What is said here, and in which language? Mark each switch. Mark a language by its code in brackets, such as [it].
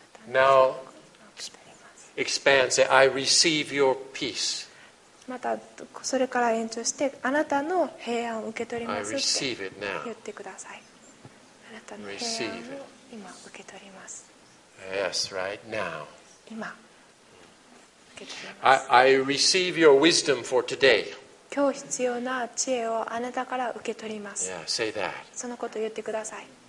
[en] Now, expand. Say, I receive your peace. [ja] またそれから延長してあなたの平安を受け取りますって。 [en] I receive it now. [ja] 言ってください。あなたの平安を今受け取ります。 [en] Yes, right now. [ja] 今。 [en] I receive your wisdom for today. [ja] 今日必要な知恵をあなたから受け取ります。 [en] Yeah, say that. [ja] そのことを言ってください。